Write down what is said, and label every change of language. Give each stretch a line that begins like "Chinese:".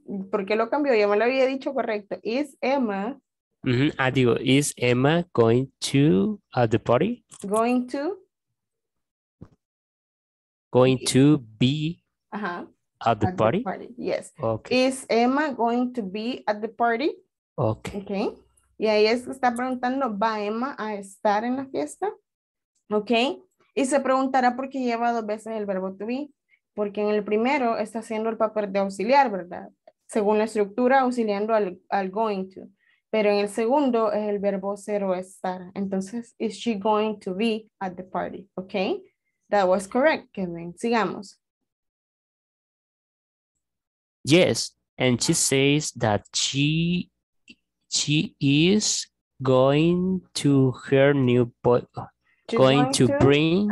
Spanish: ¿Por qué lo cambió? Ya me lo había dicho correcto.
English: Is Emma. Uh-huh.
Spanish: Ah, digo,
English: is Emma going to at the party? Going to. Going to be. Ajá. At the, at party? The party, yes. Okay. Is Emma going to be at the party? Okay. Okay.
Spanish: Y ahí es que está preguntando, ¿va Emma a estar en la fiesta? Okay. Y se preguntará por qué lleva dos veces el verbo to be. Porque en el primero está haciendo el papel de auxiliar, ¿verdad? Según la estructura, auxiliando al, al going to. Pero en el segundo es el verbo ser o estar.
English: Entonces, is she going to be at the party? Okay. That was correct, Kevin.
Spanish: Sigamos.
English: Yes, and she says that she is going to her new boy, going to bring